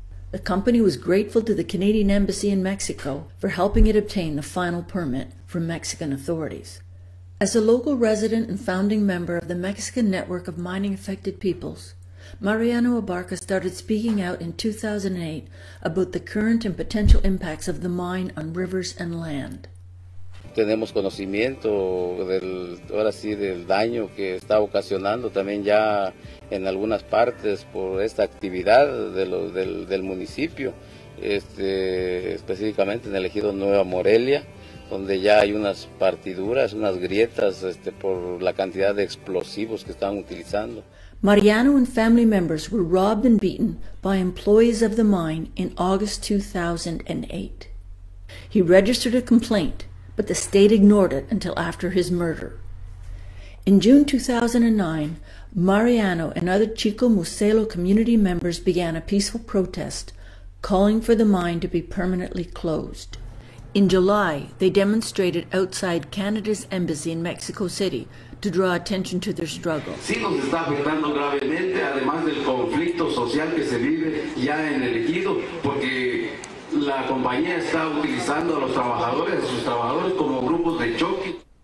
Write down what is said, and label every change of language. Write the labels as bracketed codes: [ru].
[en] The company was grateful to the Canadian Embassy in Mexico for helping it obtain the final permit from Mexican authorities. As a local resident and founding member of the Mexican Network of Mining-Affected Peoples, Mariano Abarca started speaking out in 2008 about the current and potential impacts of the mine on rivers and land. [es] Tenemos conocimiento del ahora sí del daño que está ocasionando también ya en algunas partes por esta actividad de lo, del municipio, específicamente en el ejido Nueva Morelia, donde ya hay unas partiduras, unas grietas por la cantidad de explosivos que están utilizando. [en] Mariano and family members were robbed and beaten by employees of the mine in August 2008. He registered a complaint, but the state ignored it until after his murder. In June 2009, Mariano and other Chicxulub community members began a peaceful protest calling for the mine to be permanently closed. In July, they demonstrated outside Canada's embassy in Mexico City to draw attention to their struggle. [es] Sí, nos está afectando gravemente, además del conflicto social que se vive ya en el ejido, porque la compañía está utilizando a los trabajadores, a sus trabajadores como grupos de choque.